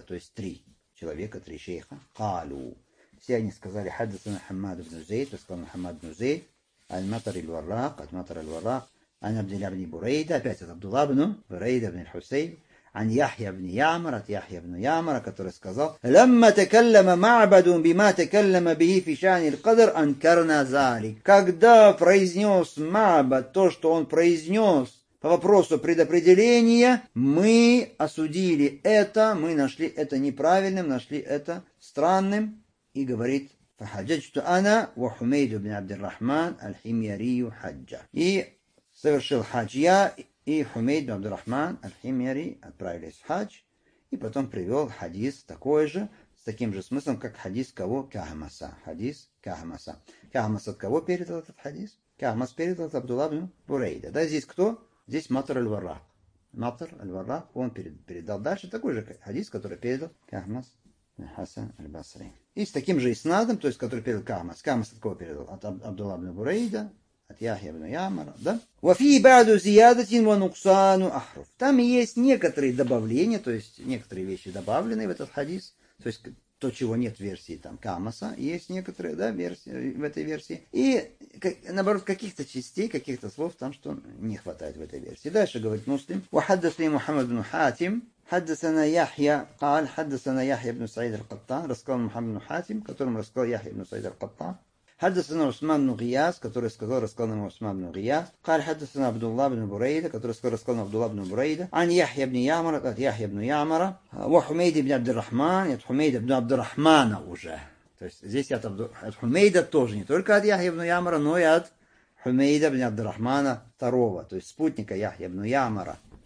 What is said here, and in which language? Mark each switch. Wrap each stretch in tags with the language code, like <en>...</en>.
<ru>То есть три человека, три шейха. Калу. Все они сказали, хаддасани Мухаммад ибн Зейд, рассказал Мухаммад ибн Зейд, аль-Матар иль-Варрак, аль-Матар иль-Варрак, аль-Абдилля ибн Бурейда, опять это Абдулла ибн Бурейда ибн Хусейн,</ru> <ar>عن يحيى بن يامر</ar> <ru>عن يحيى بن يامر который сказал</ru> <ar>لما تكلم معبد بما تكلم به في شأن القدر أنكرنا ذلك.</ar> <ru>Когда произнес Маабад то, что он произнес по вопросу предопределения, мы осудили это, мы нашли это неправильным, нашли это странным. И говорит</ru> <ar>فحججت أنا وحميد بن عبد الرحمن الحميري حجة.</ar> <ru>И совершил хадж я и Хумейд ибн Абдур-Рахман аль-Химьяри отправились в хадж, и потом привел хадис такой же, с таким же смыслом, как хадис кого? Кахмаса. Хадис Кахмаса. Кахмас от кого передал этот хадис? Кахмас передал от Абдулла ибн Бурейда. Да, здесь кто? Здесь Матар аль-Варрах. Матар аль-Варрах, он передал дальше такой же хадис, который передал Кахмас Хасан аль-Басри. И с таким же иснадом, то есть, который передал Кахмас. Кахмас от кого передал? От Абдулла ибн Бурейда. От Яхья ибн Ямара, да?</ru> <ar>وفي بعض زيادات ونقصان أحرف.</ar> <ru>Там есть некоторые добавления, то есть некоторые вещи добавлены в этот хадис, то есть то, чего нет в версии там Камаса, есть некоторые, да, версии в этой версии. И наоборот, каких-то частей, каких-то слов там, что не хватает в этой версии. Дальше говорит Муслим.</ru> <ar>وحدثني محمد بن حاتم حدثنا يحيى قال حدثنا يحيى بن سعيد القطان</ar> <ru>рассказал</ru> <ar>محمد بن حاتم,</ar> <ru>которому рассказал Яхья ибн Саид аль-Каттан.</ru> <ar>حدثنا عثمان بن غياث</ar> <ru>который сказал</ru> <ar>рассказал нам عثمان بن غياث قال حدثنا عبد الله بن بريده</ar> <ru>который сказал рассказал нам</ru> <ar>عبد الله بن بريده عن يحيى بن يامر قال يحيى بن يامر وحميد بن عبد الرحمن يا حميد بن عبد الرحمن</ar> <ru>уже то есть здесь я от Хумейда тоже не только от Яхья ибн Ямара но и от Хумейда ибн</ru> <ar>عبد الرحمن</ar> <ru>второго то есть спутника Яхья ибн Ямара</ru>